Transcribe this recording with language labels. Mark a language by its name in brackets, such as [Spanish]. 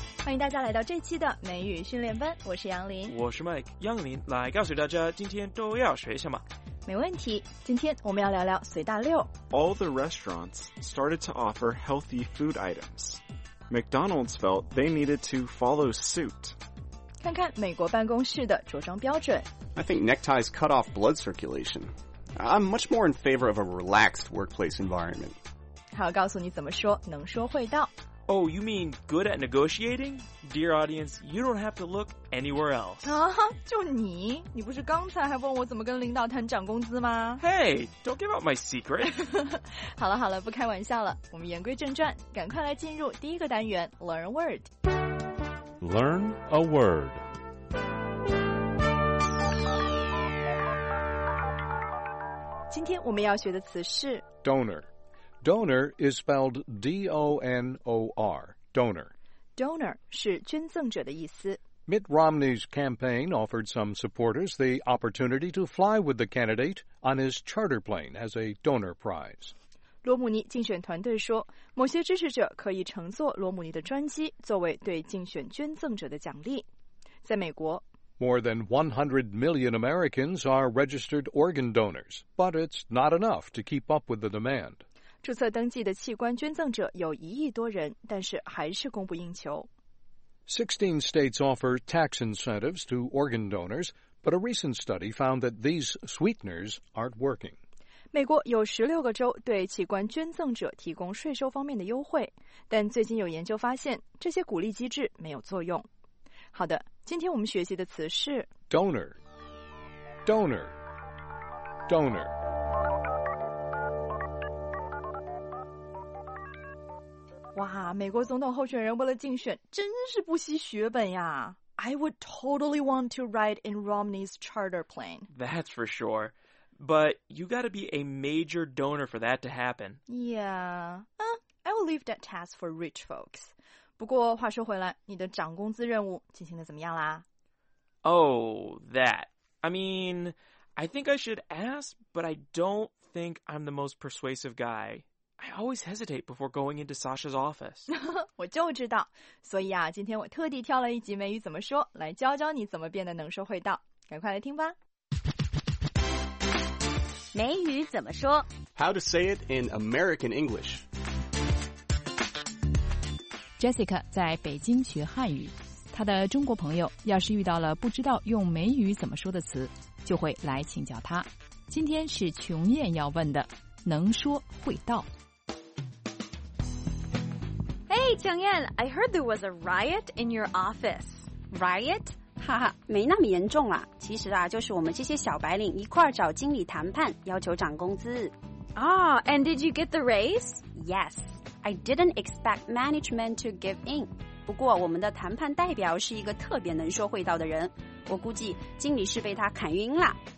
[Chinese] 迎大家来到这期的美语训练班，我是杨林，我是 Mike， 杨林来告诉大家今天都要学什么。没问题，今天我们要聊聊随大溜。 [English] All the restaurants started to offer healthy food items. McDonald's felt they needed to follow suit. [Chinese] 看看美国办公室的着装标准。 [English] I think neckties cut off blood circulation. I'm much more in favor of a relaxed workplace environment. [Chinese] 还要告诉你怎么说，能说会道。 [English] Oh, you mean good at negotiating? Dear audience, you don't have to look anywhere else. [Chinese] 啊，就你？你不是刚才还问我怎么跟领导谈涨工资吗？ [English] Hey, don't give out my secret. [Chinese] 好了好了，不开玩笑了。我们言归正传，赶快来进入第一个单元 , [English] Learn a word. Learn a word. [Chinese] 今天我们要学的词是 [English] Donor. Donor is spelled D-O-N-O-R, donor. [Chinese] Donor 是捐赠者的意思。 [English] Mitt Romney's campaign offered some supporters the opportunity to fly with the candidate on his charter plane as a donor prize. [Chinese] 罗姆尼竞选团队说，某些支持者可以乘坐罗姆尼的专机作为对竞选捐赠者的奖励。在美国， [English] More than 100 million Americans are registered organ donors, but it's not enough to keep up with the demand. [Chinese] 注册登记的器官捐赠者有一亿多人，但是还是供不应求。 [English] 16 states offer tax incentives to organ donors, but a recent study found that these sweeteners aren't working. [Chinese] 美国有16个州对器官捐赠者提供税收方面的优惠，但最近有研究发现，这些鼓励机制没有作用。好的，今天我们学习的词是 [English] donor, donor, donor. [Chinese] 哇，美国总统候选人为了竞选真是不惜血本呀。 [English] I would totally want to ride in Romney's charter plane. That's for sure. But you gotta be a major donor for that to happen. Yeah, I will leave that task for rich folks. [Chinese] 不过话说回来，你的涨工资任务进行得怎么样啦？ [English] Oh, that. I mean, I think I should ask, but I don't think I'm the most persuasive guy. I always hesitate before going into Sasha's office. [Chinese] 我就知道，所以啊，今天我特地挑了一集美语怎么说，来教教你怎么变得能说会道。赶快来听吧。美语怎么说 [English] ？How to say it in American English? [Chinese] Jessica 在北京学汉语，她的中国朋友要是遇到了不知道用美语怎么说的词，就会来请教她。今天是琼艳要问的。能说会道。 [English] Hey, 琼艳 I heard there was a riot in your office. [Chinese] Riot? 哈哈，没那么严重啊。其实啊，就是我们这些小白领一块儿找经理谈判，要求涨工资。 [English] Oh, and did you get the raise? Yes, I didn't expect management to give in. [Chinese] 不过我们的谈判代表是一个特别能说会道的人，我估计经理是被他砍晕了。